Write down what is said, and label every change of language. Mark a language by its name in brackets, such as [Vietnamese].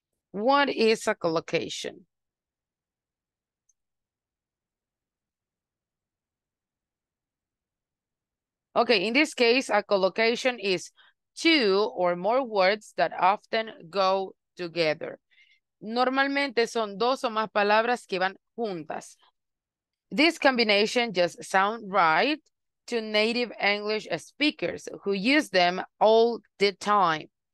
[English] What is a collocation? Okay, in this case, a collocation is two or more words that often go together. [Spanish] Normalmente son dos o más palabras que van juntas. [English] This combination just sounds right to native English speakers who use them all the time.